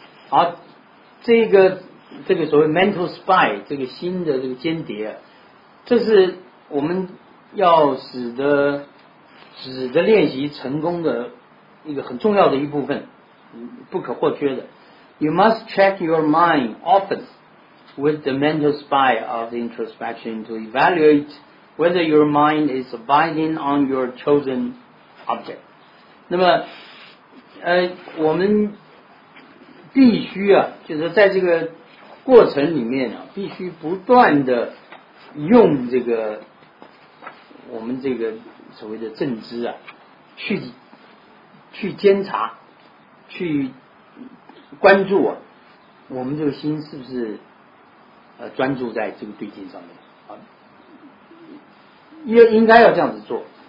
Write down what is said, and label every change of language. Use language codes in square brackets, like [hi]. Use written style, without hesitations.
[zh] 好，这个所谓 mental spy， 这个新的这个间谍，这是我们要使得练习成功的一个很重要的一部分，不可或缺的。 [en] You must check your mind often with the mental spy of introspection to evaluate whether your mind is abiding on your chosen object。 [zh] 那么我们必须啊，就是在这个过程里面啊，必须不断的用这个我们这个所谓的正知啊，去监察，去关注啊，我们这个心是不是专注在这个对境上面啊，应该要这样子做。